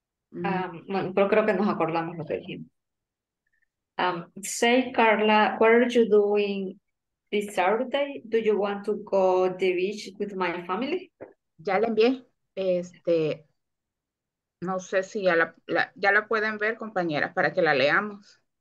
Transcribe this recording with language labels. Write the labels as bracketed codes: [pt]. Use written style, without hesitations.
[es] Pero creo que nos acordamos lo que dijimos. [en] Say, Carla, what are you doing this Saturday? Do you want to go to the beach with my family? [es] Ya la envié. No sé si ya la pueden ver, compañeras, para que la leamos.